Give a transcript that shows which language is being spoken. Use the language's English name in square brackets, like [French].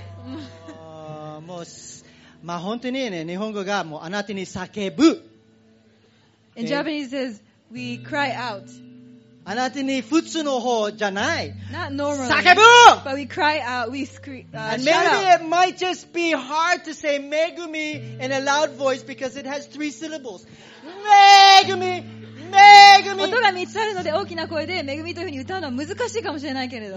[Japanese] もう、まあ本当にね、日本語がもうあなたに叫ぶ。 [English] In Japanese says, we cry out. [Japanese] あなたに普通の方じゃない。 [English] Not normally. [Japanese] 叫ぶ [English] But we cry out, we scream, And maybe it might just be hard to say megumi in a loud voice because it has three syllables. Megumi! [Japanese] 音が3つあるので大きな声で恵みというふうに歌うのは難しいかもしれないけれど。